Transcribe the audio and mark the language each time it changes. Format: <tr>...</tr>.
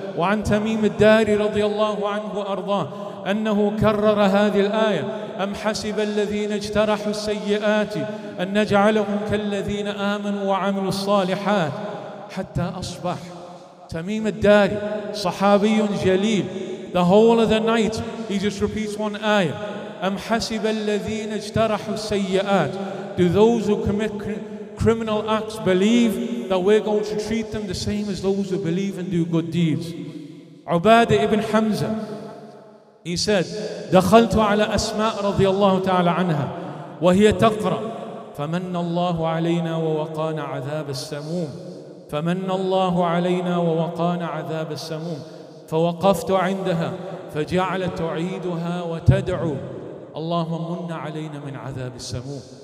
<ar>وَعَنْ تَمِيمِ الدَّارِ رَضِيَ اللَّهُ عَنْهُ وَأَرْضَاهُ أَنَّهُ كَرَّرَ هَذِي الْآيَةِ أَمْ حَسِبَ الَّذِينَ اجْتَرَحُوا السَّيِّئَاتِ أَنْ نَجْعَلَهُمْ كَالَّذِينَ آمَنُوا وَعَمِلُوا الصَّالِحَاتِ حَتَّى أَصْبَحَ Tamim al-Dari, Sahabiyun Jaleel.</ar> <en>The whole of the night, he just repeats one ayah.</en> <ar>Am hasiba الذين اجترحوا السيئات.</ar> <en>Do those who commit criminal acts believe that we're going to treat them the same as those who believe and do good deeds?</en> <ar>Ubadah ibn Hamza,</ar> <en>he said,</en> <ar>دخلت على أسماء رضي الله تعالى عنها وهي تقرأ فمن الله علينا ووقانا عذاب السموم فمن الله علينا ووقانا عذاب السموم فوقفت عندها فجعلت تعيدها وتدعو اللهم من علينا من عذاب السموم.</ar>